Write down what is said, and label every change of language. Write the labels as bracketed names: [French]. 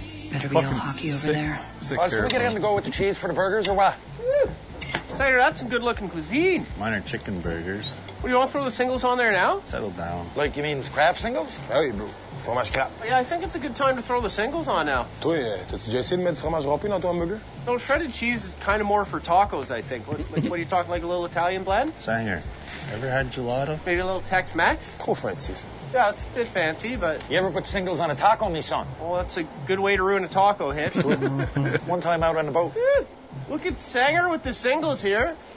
[English] Better be fucking all hockey over there. Can we get him to go with the cheese for the burgers, or what? Woo! Cider, that's some good-looking cuisine. Mine are chicken burgers. What, you want to throw the singles on there now? Settle down. Like, you mean crab singles? Oh, you bro. Fromage crap. Yeah, I think it's a good time to throw the singles on now. [French] Toi, t'as déjà essayé de mettre fromage râpé dans ton hamburger? [English] No, shredded cheese is kind of more for tacos, I think. What are you talking, like a little Italian blend? Sanger, ever had gelato? Maybe a little Tex-Mex? [French] Trop fancy. [English] Yeah, it's a bit fancy, but... You ever put singles on a taco, mi son? Well, that's a good way to ruin a taco, Hitch. One time out on the boat. Yeah, look at Sanger with the singles here.